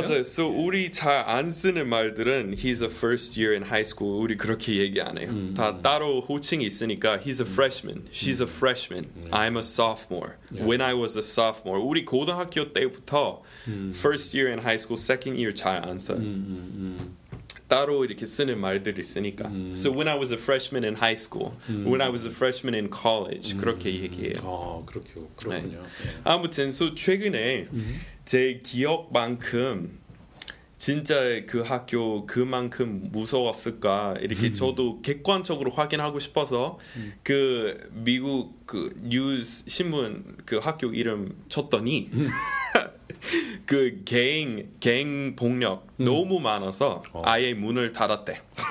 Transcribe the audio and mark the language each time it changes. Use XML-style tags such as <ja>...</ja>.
<ko>맞아요. So 우리 잘 안 쓰는 말들은</ko> <en>he's a first year in high school</en> <ko>우리 그렇게 얘기 안 해요. 다 따로 호칭이 있으니까</ko> <en>he's a freshman, she's a freshman, I'm a sophomore, when I was a sophomore</en> <ko>우리 고등학교 때부터</ko> <en>first year in high school, second year</en> <ko>잘 안 써요. 따로 이렇게 쓰는 말들이 있으니까.</ko> <en>So when I was a freshman in high school, when I was a freshman in college,</en> <ko>그렇게 얘기해요. 아, 그렇군요. 네. 아무튼, so 최근에 제 기억만큼 진짜 그 학교 그만큼 무서웠을까 이렇게 저도 객관적으로 확인하고 싶어서 그 미국 그 뉴스 신문 그 학교 이름 쳤더니 그 갱 폭력 너무 많아서 아예 문을 닫았대.</ko>